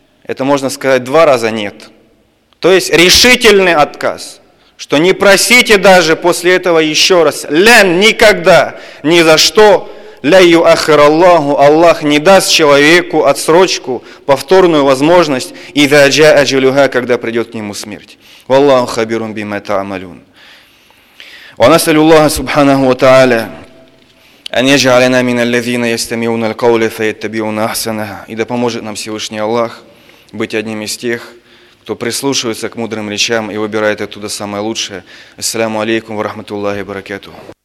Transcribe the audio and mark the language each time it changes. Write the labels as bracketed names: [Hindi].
[Russian] это можно сказать два раза нет. То есть решительный отказ, что не просите даже после этого еще раз. Лен никогда, ни за что. [Arabic] Ляю ахир Аллаху, [Russian] Аллах не даст человеку отсрочку, повторную возможность, и даджа аджилюга, когда придет к нему смерть. [Arabic] Валлаху хабирум бима таамалюн. ونسأل الله سبحانه وتعالى أن يجعلنا من الذين يستمعون القول فيتبعون أحسنه. [Russian] إذا поможет нам Всевышний Аллах быть одним из тех, кто прислушивается к мудрым речам и выбирает оттуда самое лучшее. Ассаляму алейкум ва рахматуллахи ва баракатуху.